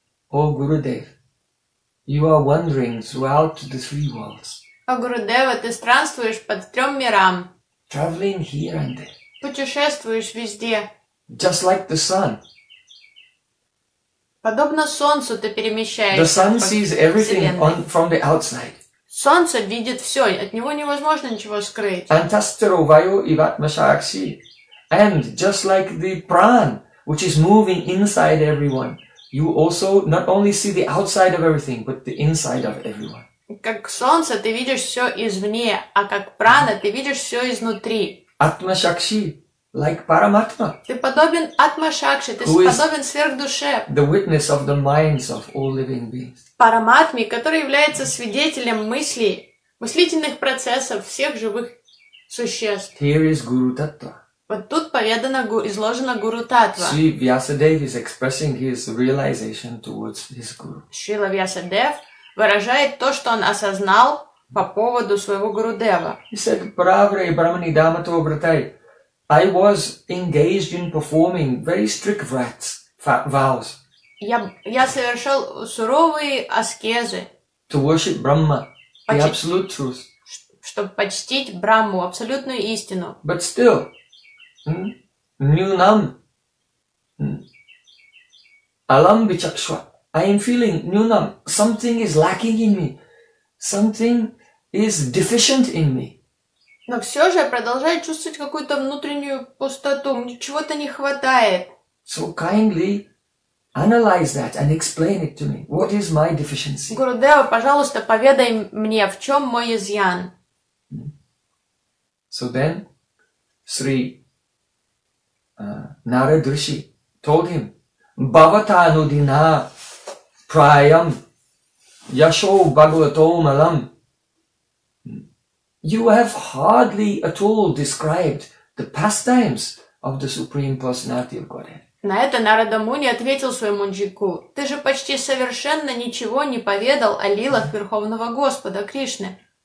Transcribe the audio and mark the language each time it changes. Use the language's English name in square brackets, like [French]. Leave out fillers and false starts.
[English] O Gurudev, you are wandering throughout the three worlds. [Russian] О Гурудева, ты странствуешь по трём мирам. [English] Traveling here and there. [Russian] Путешествуешь везде. [English] Just like the sun. [Russian] Подобно солнцу ты перемещаешься. [English] The sun sees everything on, from the outside. [Russian] Солнце видит всё, от него невозможно ничего скрыть. [Sanskrit] Antastaro vayo ivatmasakshi. [English] And just like the pran, which is moving inside everyone, you also not only see the outside of everything, but the inside of everyone. [Russian] Как солнце ты видишь все извне, а как прана ты видишь все изнутри. [English] Atma shakshi, like paramatma. [Russian] Ты подобен атма шакши, ты подобен сверхдуше. [English] The witness of the minds of all living beings. [Russian] Параматме, который является свидетелем мыслей, мыслительных процессов всех живых существ. [English] Here is Guru Tattva. [Russian] Вот тут поведано, изложено Гуру Татва. [English] Sri Vyasadeva is expressing his realization towards his Guru. [Russian] Srila Vyasadeva выражает то, что он осознал по поводу своего Гурудева. [English] He said, [Sanskrit] Prabhu Brahmani Dhamato Bratai, [English] I was engaged in performing very strict vows. [Russian] Я совершал суровые аскезы. [English] To worship Brahma, the absolute truth. [Russian] Чтобы почтить Брахму, абсолютную истину. [English] But still, [Sanskrit] нюнам, алам бичакшва. [English] I am feeling нюнам. Something is lacking in me. Something is deficient in me. [Russian] Но все же продолжаю чувствовать какую-то внутреннюю пустоту. Мне чего-то не хватает. [English] So kindly analyze that and explain it to me. What is my deficiency? [Russian] Гурудева, пожалуйста, поведай мне, в чем мой изъян. [English] So then, Sri Narad Rishi told him, [Sanskrit] Bhavata Anudina Prayam Yasho Bhagavato Malam. [English] You have hardly at all described the pastimes of the Supreme Personality of Godhead. [Russian] На это Нарада Муни ответил своему джику, ты же почти совершенно ничего не поведал о лилах Верховного Господа Кришны.